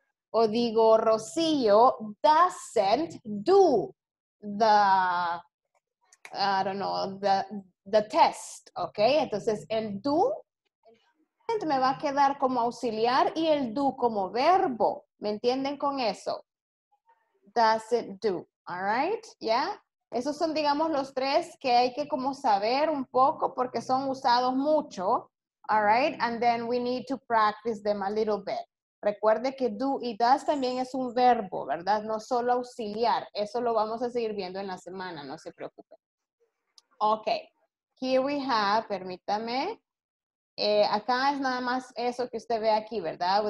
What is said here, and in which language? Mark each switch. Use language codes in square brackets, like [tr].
[es] O digo, [en] Rocío doesn't do the, I don't know, the test. ¿Ok? [es] Entonces el do me va a quedar como auxiliar y el do como verbo. ¿Me entienden con eso? [en] Doesn't do. ¿All right? [es] ¿Ya? Esos son, digamos, los tres que hay que como saber un poco porque son usados mucho. [en] All right? And then we need to practice them a little bit. [es] Recuerde que do y does también es un verbo, ¿verdad? No solo auxiliar. Eso lo vamos a seguir viendo en la semana, no se preocupen. Ok. [en] Here we have, [es] permítame. Acá es nada más eso que usted ve aquí, ¿verdad?